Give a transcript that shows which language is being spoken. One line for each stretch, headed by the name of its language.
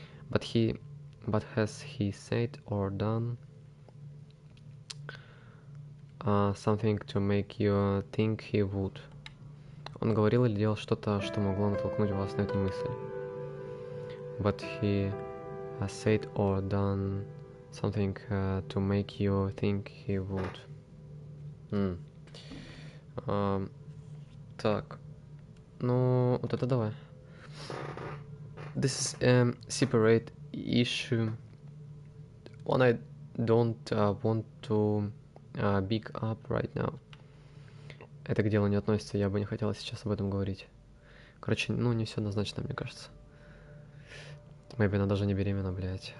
English: But has he said or done something to make you think he would?
Russian: Он говорил или делал что-то, что могло натолкнуть вас на эту мысль.
English: But he has said or done something to make you think he would.
Russian: Так. Ну, вот это давай.
English: This is a separate issue. One I don't want to big up right now.
Russian: Это к делу не относится, я бы не хотела сейчас об этом говорить. Короче, ну не все однозначно, мне кажется. Maybe она даже не беременна, блядь.